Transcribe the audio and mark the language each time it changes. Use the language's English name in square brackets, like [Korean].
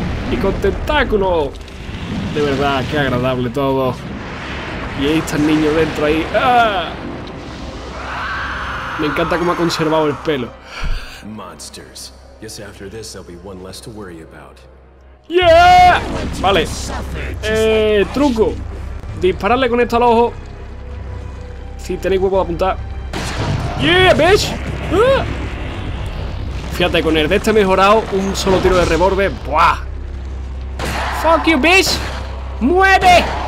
[Spanish] Y con tentáculo. De verdad, qué agradable todo. Y ahí está el niño dentro ahí. ¡Ah! Me encanta cómo ha conservado el pelo. [English] Monsters. Just after this, there'll be one less to worry about. [Spanish] ¡Yeah! Vale. Truco. Dispararle con esto al ojo. Si tenéis huevo de apuntar. [English] ¡Yeah, bitch! [Spanish] ¡Ah! Fíjate, con el de este mejorado, un solo tiro de revólver. ¡Buah! [English] ¡Fuck you, bitch! [Spanish] ¡Mueve!